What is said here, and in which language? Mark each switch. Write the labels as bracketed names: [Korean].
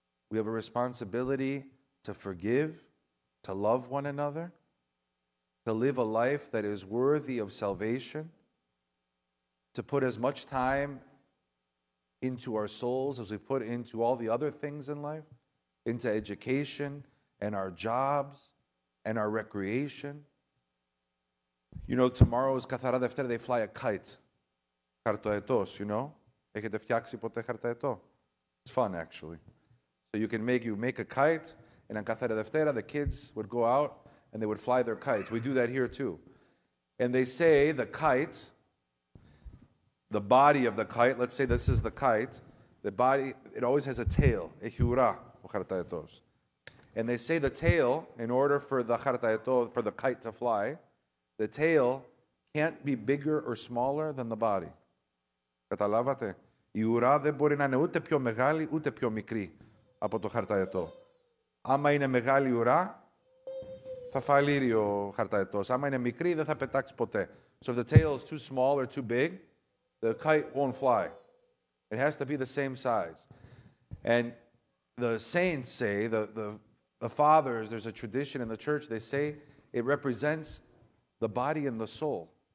[English] We have a responsibility to forgive, to love one another, to live a life that is worthy of salvation, to put as much time into our souls as we put into all the other things in life, into education and our jobs and our recreation. You know, tomorrow is Kathara Deftera, they fly a kite. Χαρτοετός, you know? [Greek] Έχετε φτιάξει ποτέ χαρτοετό? [English] It's fun, actually. So you make a kite, and on Κάθαρα Δευτέρα, the kids would go out, and they would fly their kites. We do that here, too. And they say the kite, the body of the kite, let's say this is the kite, the body, it always has a tail. [Greek] Έχει ουρά ο χαρτοετός. [English] And they say the tail, in order for the χαρτοετό, for the kite to fly, the tail can't be bigger or smaller than the body. [Greek] Καταλάβατε, η ουρά δεν μπορεί να είναι ούτε πιο μεγάλη ούτε πιο μικρή από το χαρταετό. Άμα είναι μεγάλη ουρά, θα φαλείρει ο χαρταετός. Άμα είναι μικρή, δεν θα πετάξει ποτέ. [English] So if the tail is too small or too big, the kite won't fly. It has to be the same size. And the saints say, the fathers, there's a tradition in the church, they say it represents the body and the soul.